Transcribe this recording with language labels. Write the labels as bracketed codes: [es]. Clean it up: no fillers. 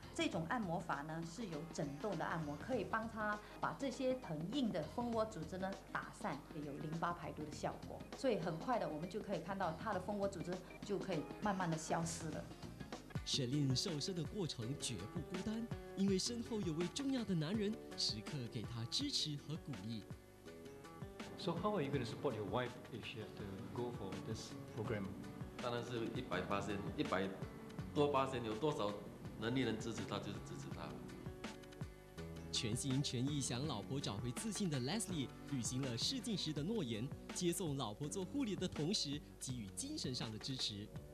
[zh] 这种按摩法呢是有震动的按摩，可以帮他把这些很硬的蜂窝组织呢打散，有淋巴排毒的效果。所以很快的，我们就可以看到他的蜂窝组织就可以慢慢的消失了。舍琳瘦身的过程绝不孤单，因为身后有位重要的男人时刻给她支持和鼓励。 [en] So how are you going to support your wife if she has to go for this program? [zh] 当然是100%，100%多%，有多少能力能支持她就是支持她。全心全意想老婆找回自信的 Leslie 履行了试镜时的诺言，接送老婆做护理的同时给予精神上的支持。